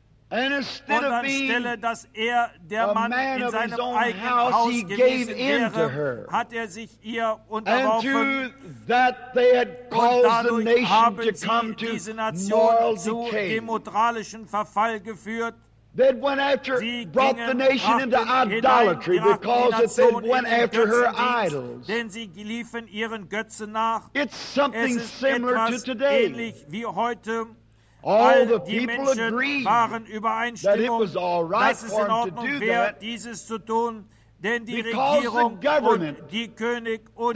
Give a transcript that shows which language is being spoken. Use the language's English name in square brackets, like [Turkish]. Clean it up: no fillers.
[English] And instead [German] und anstelle, dass er der Mann in seinem [English] house, [German] eigenen Haus gewesen wäre, hat er sich ihr unterworfen. Und dadurch haben sie diese Nation zu dem moralischen Verfall geführt. [English] That went after, brought the nation into idolatry because it then went after her idols. [German] Denn sie liefen ihren Götzen nach. [English] It's something similar to today. [German] Ähnlich wie heute. [English] All the people agreed [German] waren übereinstimmung, [English] that it was all right [German] dass es in Ordnung [English] to do [German] wäre, [English] that. [German] Dieses zu tun. Denn die Regierung und die König und